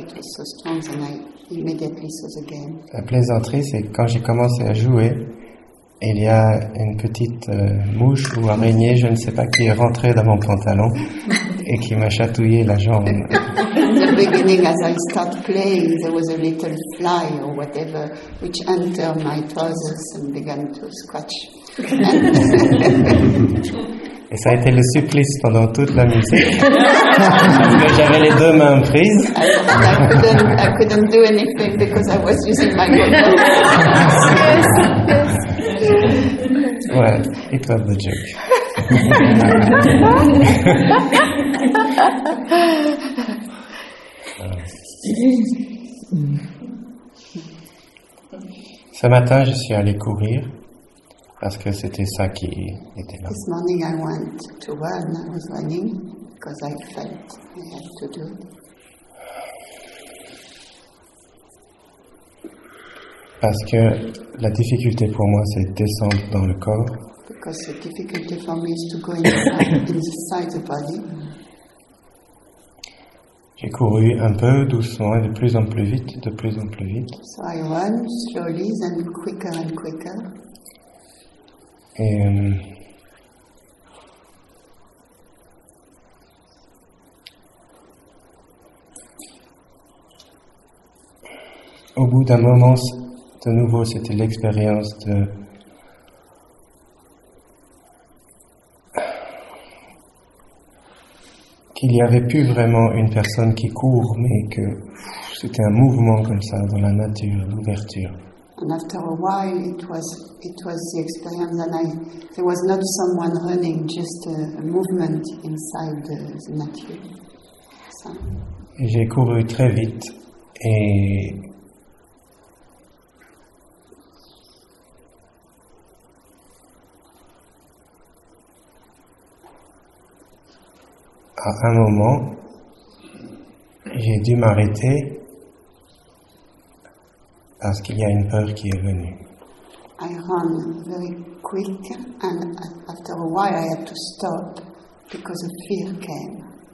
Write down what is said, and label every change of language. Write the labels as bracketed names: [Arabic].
[English] It was so strong, and I immediately saw the game. [French] La plaisanterie, c'est quand j'ai commencé à jouer. Il y a une petite mouche ou araignée, je ne sais pas, qui est rentrée dans mon pantalon et qui m'a chatouillé la jambe. [English] In the beginning, as I start playing, there was a little fly or whatever which entered my trousers and began to scratch. [French] Et ça a été le supplice pendant toute la musique. Parce que j'avais les deux mains prises. [English] I couldn't do anything because I was using my own. Yes. Well, it was the joke. [French] Ce matin, je suis allé courir parce que c'était ça qui était là. [English] This morning, I went to run. I was running because I felt I had to do it. [French] Parce que la difficulté pour moi, c'est de descendre dans le corps. [English] Because the difficulty for me is to go inside the body. [French] J'ai couru un peu, doucement, et de plus en plus vite, de plus en plus vite. [English] So I run slowly, then quicker and quicker. [French] Au bout d'un moment, de nouveau, c'était l'expérience de qu'il n'y avait plus vraiment une personne qui court, mais que c'était un mouvement comme ça dans la nature, l'ouverture. [English] And after a while, it was the experience, and I there was not someone running, just a movement inside the nature. So. [French] Et j'ai couru très vite et à un moment, j'ai dû m'arrêter parce qu'il y a une peur qui est venue. [English] I run very quick, and after a while I had to stop because a fear came.